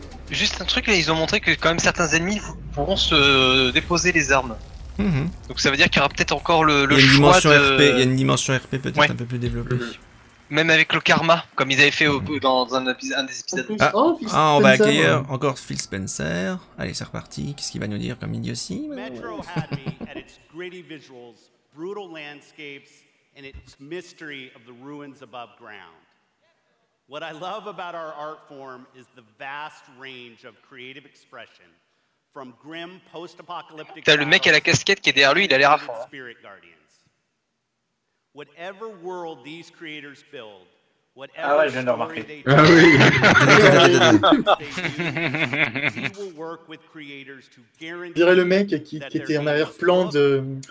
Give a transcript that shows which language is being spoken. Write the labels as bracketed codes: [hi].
[fr] Juste un truc, ils ont montré que quand même certains ennemis pourront se déposer les armes. Donc ça veut dire qu'il y aura peut-être encore le choix de... RP, il y a une dimension RP peut-être ouais. Un peu plus développée. Même avec le karma, comme ils avaient fait dans un des épisodes. Ah, oh, ah on va accueillir ouais. Encore Phil Spencer. Allez, c'est reparti. Qu'est-ce qu'il va nous dire comme idiotie? [en] Metro had me at its gritty visuals, brutal landscapes, and its mystery of the ruins above ground. What I love about our art form is the vast range of creative expression, [fr] T'as le mec à la casquette qui est derrière lui, il a l'air à fond. Hein. [en] Whatever world these creators build, whatever [fr] je dirais le mec qui était en arrière-plan de.